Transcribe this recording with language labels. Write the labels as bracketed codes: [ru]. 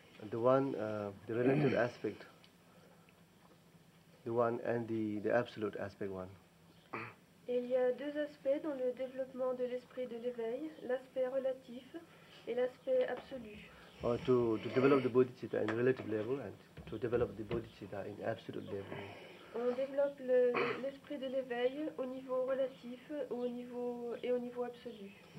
[en] The one, the relative aspect, the one, and the absolute aspect one. [fr] Il y a deux aspects dans le développement de l'esprit de l'éveil, l'aspect relatif et l'aspect absolu. [en] Or to develop the bodhicitta in relative level and to develop the bodhicitta in absolute level. [fr] On développe l'esprit de l'éveil au niveau relatif et au niveau absolu.